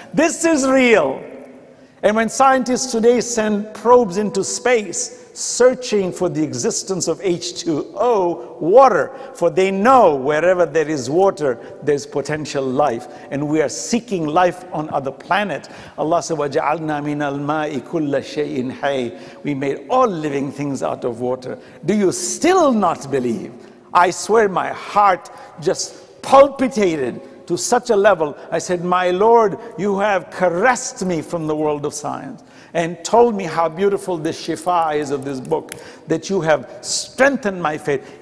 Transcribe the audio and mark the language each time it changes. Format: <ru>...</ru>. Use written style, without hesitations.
<en>This is real. And when scientists today send probes into space searching for the existence of H2O, water, for they know wherever there is water, there's potential life. And we are seeking life on other planets. Allah said,</en> <ar>وَجَعَلْنَا مِنَ الْمَاءِ كُلَّ شَيْءٍ حَيْءٍ.</ar> <en>We made all living things out of water. Do you still not believe? I swear my heart just palpitated to such a level. I said, my Lord, you have caressed me from the world of science and told me how beautiful the shifa is of this book, that you have strengthened my faith.</en>